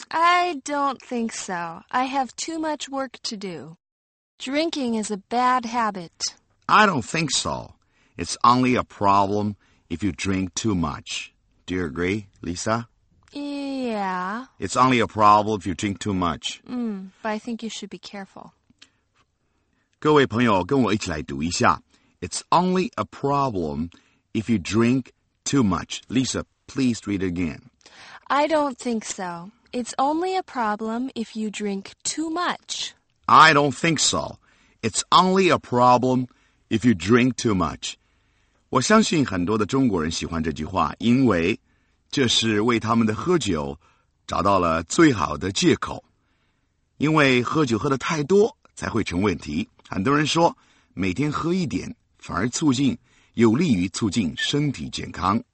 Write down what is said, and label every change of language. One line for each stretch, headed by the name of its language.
English: I don't think so. I have too much work to do. Drinking is a bad habit. I don't think so. It's only a problem if you drink too much. Do you agree, Lisa? Yeah. It's only a problem if you drink too much. But I think you should be careful.
Chinese: 各位朋友跟我一起来读一下。
English: It's only a problem if you drink too much. Lisa, please read again. I don't think so. It's only a problem if you drink too much. I don't think so. It's only a problem if you drink too much.
Chinese: 我相信很多的中国人喜欢这句话，因为这是为他们的喝酒找到了最好的借口，因为喝酒喝得太多才会成问题。很多人说每天喝一点反而促进有利于促进身体健康。